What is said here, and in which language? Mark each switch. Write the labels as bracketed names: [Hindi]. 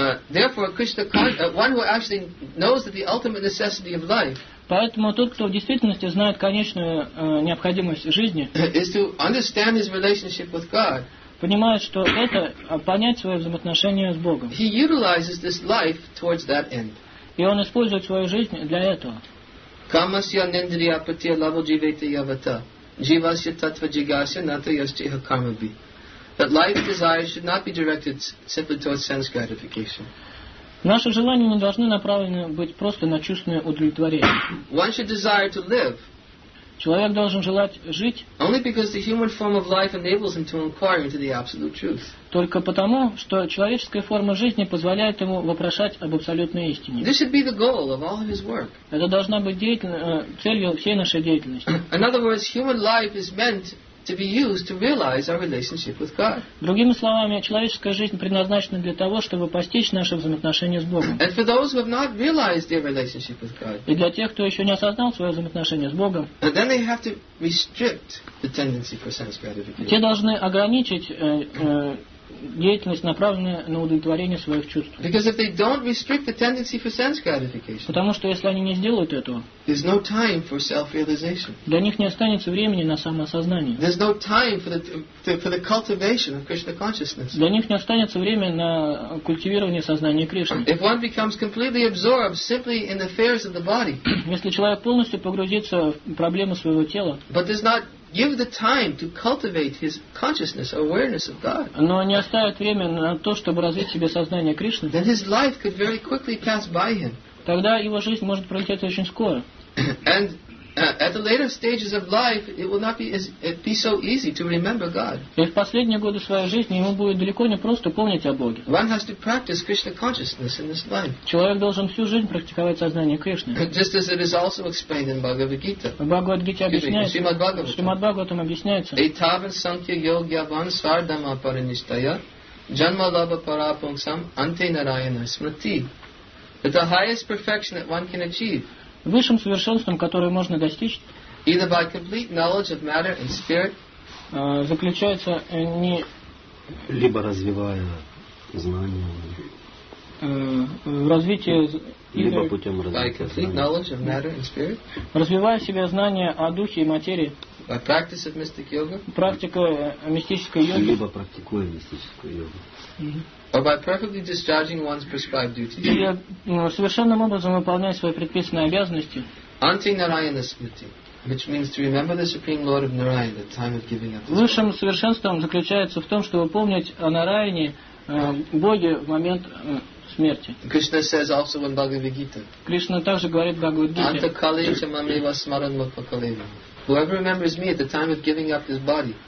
[English] Therefore, Krishna, one who actually knows that the ultimate necessity of life. [Russian] Поэтому тот, кто в действительности знает конечную необходимость жизни, [English] is to understand his relationship with God. [Russian] Понимает, что это понять свои взаимоотношения с Богом. [English] He utilizes this life towards that end. [Russian] И он использует свою жизнь для этого. [Sanskrit] Камасья нендрия патия лаво дживете явата дживасья татва джигасья ната ястиха кармаби. [English] That life desires should not be directed simply towards sense gratification. [Russian] Наши желания не должны направлены быть просто на чувственное удовлетворение. [English] One should desire to live. [Russian] Человек должен желать жить. [English] Only because the human form of life enables him to inquire into the absolute truth. [Russian] Только потому, что человеческая форма жизни позволяет ему вопрошать об абсолютной истине. [English] This should be the goal of all of his work. [Russian] Это должна быть целью всей нашей деятельности. [English] In other words, human life is meant to be used to realize our relationship with God. [Russian] Другими словами, человеческая жизнь предназначена для того, чтобы постичь наши взаимоотношения с Богом. [English] And for those who have not realized their relationship with God. [Russian] И для тех, кто еще не осознал свое взаимоотношение с Богом. [English] And then they have to restrict the tendency for sense gratification. [Russian] Те должны ограничить деятельность, направленную на удовлетворение своих чувств. [English] Because if they don't restrict the tendency for sense gratification. [Russian] Потому что если они не сделают этого, [English] there's no time for self-realization. [Russian] Для них не останется времени на самоосознание. [English] There's no time for the cultivation of Krishna consciousness. [Russian] Для них не останется время на культивирование сознания Кришны. [English] If one becomes completely absorbed simply in the affairs of the body, [Russian] если человек полностью погрузится в проблемы своего тела, [English] but does not give the time to cultivate his consciousness or awareness of God, [Russian] но не оставит время на то, чтобы развить себе сознание Кришны, [English] then his life could very quickly pass by him. [Russian] Тогда его жизнь может пролететь очень скоро. [English] And at the later stages of life, it will not be so easy to remember God. [Russian] И в последние годы своей жизни ему будет далеко не просто помнить о Боге. [English] One has to practice Krishna consciousness in this life. [Russian] Человек должен всю жизнь практиковать сознание Кришны. [English] Just as it is also explained in Bhagavad Gita. [Russian] В Бхагавад Гите объясняется. Шримад Бхагаватам объясняется. [Sanskrit] Этавен санкья йогья ван свардама паринистая джанма лаба парапунсам анте нараяна смрити. [English] That the highest perfection that one can achieve, [Russian] высшим совершенством, которое можно достичь, [English] either by complete knowledge of matter and spirit, [Russian] заключается не либо развивая знания, в развитии, либо путем развития, [English] by complete knowledge of matter and spirit, [Russian] развивая в себе знания о духе и материи, [English] by practice of mystic yoga, [Russian] практика мистической йоги, либо практикуя мистическую йогу. [English] Or by perfectly discharging one's prescribed duties. [Russian] Или совершенным образом выполняя свои предписанные обязанности. [Sanskrit] Anti Narayana Smriti, [English] which means to remember the Supreme Lord of Narayana at time of giving up. [Russian] Высшим совершенством заключается в том, чтобы помнить о Нараяне, Боге, в момент смерти. [English] Krishna says also in Bhagavad Gita. [Russian] Кришна также говорит в Бхагавад-гите. [Sanskrit] Anta kalecha mameva smaran mapakalevam. [English] Whoever remembers me at the time of giving up his body.